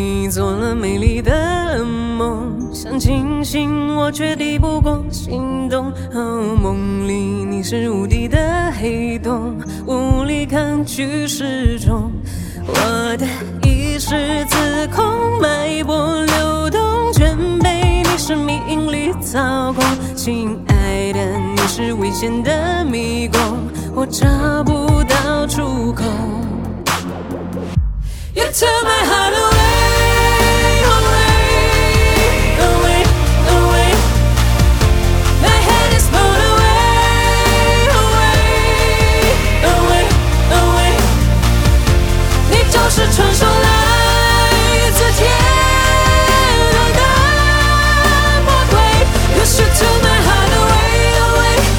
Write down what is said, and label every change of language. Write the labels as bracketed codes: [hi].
[zh] 做了美丽的梦，想清醒我却抵不过心动、哦、梦里你是无底的黑洞，无力抗拒失重，我的意识自控，脉搏流动，全被你生命引力操控。亲爱的，你是危险的迷宫，我找不到出口。 [en] You took my heart away, away, away, away. My head is blown away, away, away, away. [zh] 你就是传说来自天堂的魔鬼。 [en] You should took my heart away.